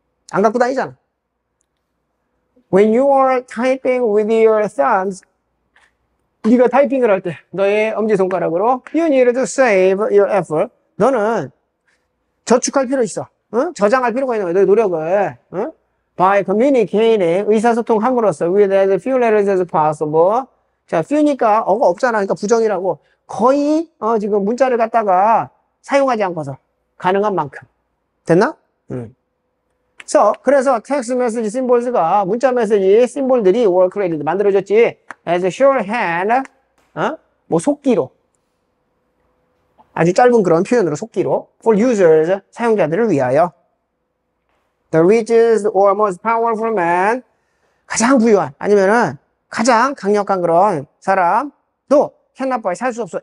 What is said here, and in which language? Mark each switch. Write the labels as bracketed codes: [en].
[ko] 안 갖고 다니잖아. [en] When you are typing with your thumbs, [ko] 네가 타이핑을 할 때, 너의 엄지손가락으로, [en] you need to save your effort. [ko] 너는 저축할 필요 있어. 저장할 필요가 있는 거야, 너의 노력을. [en] By communicating, [ko] 의사소통함으로써, [en] with as few letters as possible. [ko] 자, few니까, 어가 없잖아. 그러니까 부정이라고. 거의, 지금 문자를 갖다가 사용하지 않고서, 가능한 만큼. 됐나? [en] So, [ko] 그래서 text message symbols가 문자 메시지 심볼들이 [en] were created [ko] 만들어졌지. [en] As a shorthand, [ko] 뭐 속기로 아주 짧은 그런 표현으로 속기로 [en] for users [ko] 사용자들을 위하여 [en] the richest or most powerful man [ko] 가장 부유한 아니면은 가장 강력한 그런 사람도 [en] cannot buy [ko] 살수 없어.